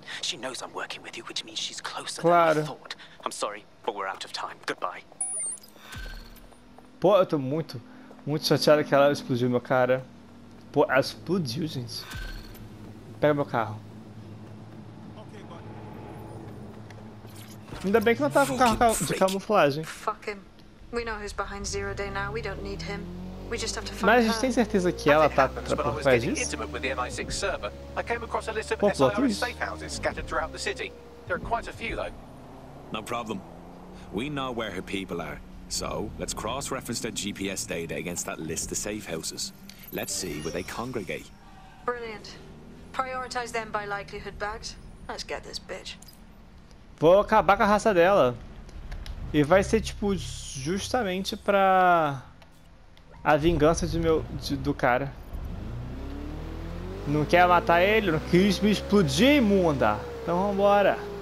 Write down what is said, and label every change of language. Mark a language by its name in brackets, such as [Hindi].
[English] She knows I'm working with you, which means she's closer than I thought. I'm sorry, but we're out of time. Goodbye. [Portuguese] Pô, eu tô muito, muito chateado que ela explodiu meu cara. Pô, ela explodiu, gente. Pega meu carro. Ainda bem que não tava com carro de camuflagem. [English] Fuck him. We know who's behind Zero Day now. We don't need him. We just have to find. [Portuguese] Mas a gente tem certeza que ela tá por trás disso? [English] Intimate with the MI6 server. I came across a list of SIRS safe houses scattered throughout the city. There are quite a few, though. No problem. We know where her people are. So let's cross-reference their GPS data against that list of safe houses. Let's see where they congregate. Brilliant. Prioritize them by likelihood bags. Let's get this bitch. [Portuguese] Vou acabar com a raça dela. E vai ser, tipo, justamente pra... A vingança do cara. Não quer matar ele? Não quis me explodir, imunda! Então vambora!